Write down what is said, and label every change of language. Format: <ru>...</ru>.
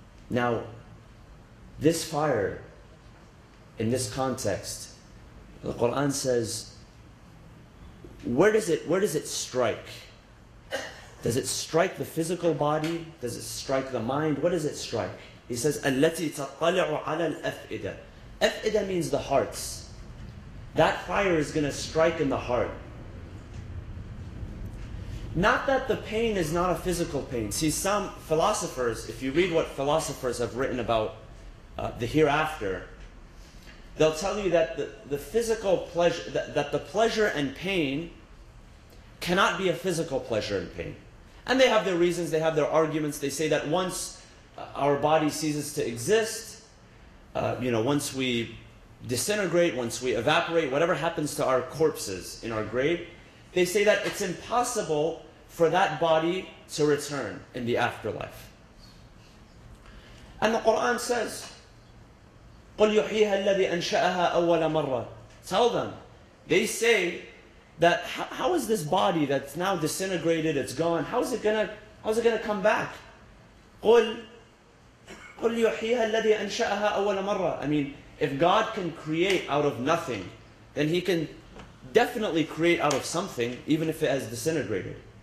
<en>Now, this fire, in this context, the Qur'an says, where does it strike? Does it strike the physical body? Does it strike the mind? What does it strike? He says,</en> <ar>الَّتِي تَطَّلِعُ عَلَى الْأَفْئِدَةِ.</ar> <en>أَفْئِدَة means the hearts. That fire is going to strike in the heart. Not that the pain is not a physical pain. See, some philosophers, if you read what philosophers have written about the hereafter, they'll tell you that the physical pleasure, that the pleasure and pain cannot be a physical pleasure and pain. And they have their reasons, they have their arguments. They say that once our body ceases to exist, once we disintegrate, once we evaporate, whatever happens to our corpses in our grave, they say that it's impossible for that body to return in the afterlife. And the Quran says,</en> <ar>قُلْ يُحْيِهَا الَّذِي أَنْشَأَهَا أَوَّلَ مَرَّةٍ.</ar> <en>Tell them, they say that how is this body that's now disintegrated, it's gone, how is it gonna come back?</en> <ar>قُلْ يُحْيِهَا الَّذِي أَنْشَأَهَا أَوَّلَ مَرَّةٍ.</ar> <en>I mean, if God can create out of nothing, then He can definitely create out of something, even if it has disintegrated.</en>